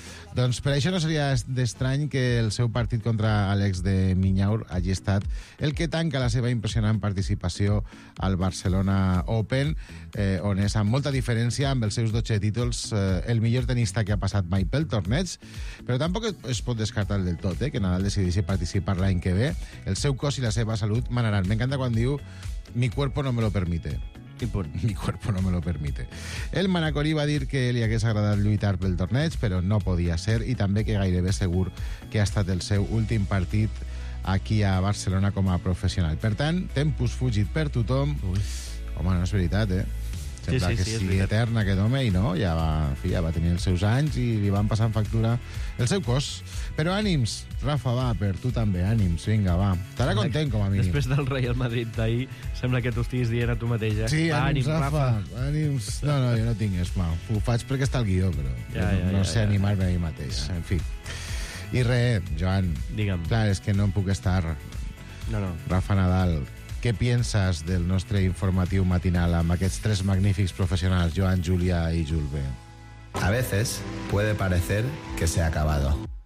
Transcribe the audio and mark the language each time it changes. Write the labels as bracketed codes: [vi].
[ca] Doncs per això no seria d'estrany que el seu partit contra Àlex de Miñaur hagi estat el que tanca la seva impressionant participació al Barcelona Open, on és amb molta diferència amb els seus 12 títols el millor tenista que ha passat mai pel torneig. Però tampoc es pot descartar del tot, que Nadal decideixi participar l'any que ve. El seu cos i la seva salut manaran. M'encanta quan diu [es] «mi cuerpo no me lo permite». Mi cuerpo no me lo permite. [ca] El Manacorí va dir que li hagués agradat lluitar pel torneig, però no podia ser, i també que gairebé segur que ha estat el seu últim partit aquí a Barcelona com a professional. Per tant, tempus fugit per tothom. Ui. Home, no és veritat, eh? Sembla que sigui etern aquest home, i no, ja va tenir els seus anys i li van passant factura el seu cos. Però ànims, Rafa, va, per tu també, ànims, vinga, va. Estarà content, com a mínim. Després del Real Madrid d'ahir, sembla que t'ho estiguis dient a tu mateix, Sí, ànims, Rafa, ànims. No, jo no tinc esma. Ho faig perquè està al guió, però no sé animar-me a mi mateix, en fi. I res, Joan. Digue'm. Clar, és que no em puc estar. No. Rafa Nadal. Què penses del nostre informatiu matinal amb aquests tres magnífics professionals, Joan, Júlia i Julve? [es] A veces puede parecer que se ha acabado.